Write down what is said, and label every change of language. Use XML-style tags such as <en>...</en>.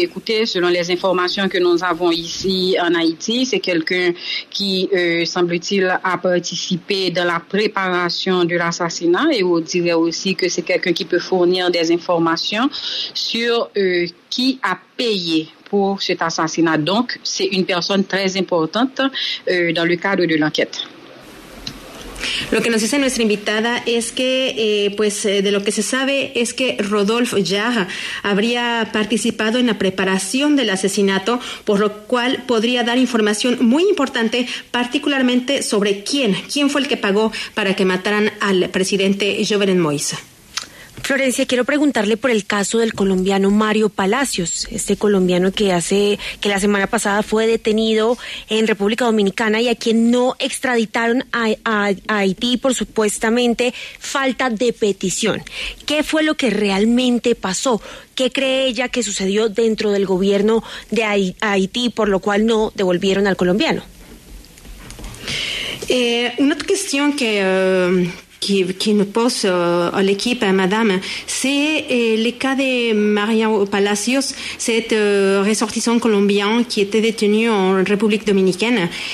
<fr>Écoutez, selon les informations que nous avons ici en Haïti, c'est quelqu'un qui, semble-t-il, a participé dans la préparation de l'assassinat et on dirait aussi que c'est quelqu'un qui peut fournir des informations sur qui a payé pour cet assassinat. Donc, c'est une personne très importante dans le cadre de l'enquête.</fr> <es>Lo que nos dice nuestra invitada es que, de lo que se sabe es que Rodolphe Jarre habría participado en la preparación del asesinato, por lo cual podría dar información muy importante, particularmente sobre quién fue el que pagó para que mataran al presidente Jovenel Moïse. Florencia, quiero preguntarle por el caso del colombiano Mario Palacios, este colombiano que la semana pasada fue detenido en República Dominicana y a quien no extraditaron a Haití por supuestamente falta de petición. ¿Qué fue lo que realmente pasó? ¿Qué cree ella que sucedió dentro del gobierno de Haití por lo cual no devolvieron al colombiano? Una cuestión que...</es> <fr>Qui me pose à l'équipe, madame, c'est le cas de Maria Palacios, cette ressortissant colombien qui était détenu en République dominicaine</fr>